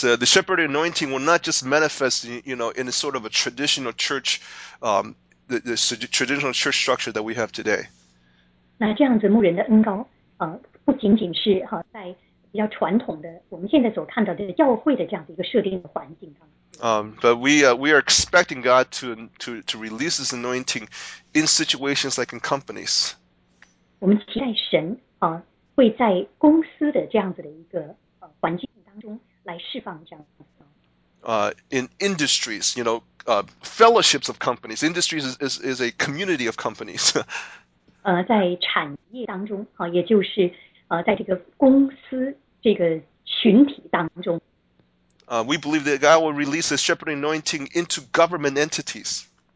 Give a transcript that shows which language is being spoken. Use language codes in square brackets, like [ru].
[en] the shepherd anointing will not just manifest, you know, in a sort of a traditional church, the traditional church structure that we have today. [zh] 那这样子牧人的恩膏，不仅仅是在 比较传统的，我们现在所看到的教会的这样的一个设定的环境当中。 [en] But we are expecting God to release His anointing in situations like in companies. [zh] 我们期待神会在公司的这样子的一个环境当中来释放这样的。 [en] In industries, you know, fellowships of companies. Industries is a community of companies. [zh] 在产业当中，也就是在这个公司。 [en] We believe that God will release the shepherd anointing into government entities.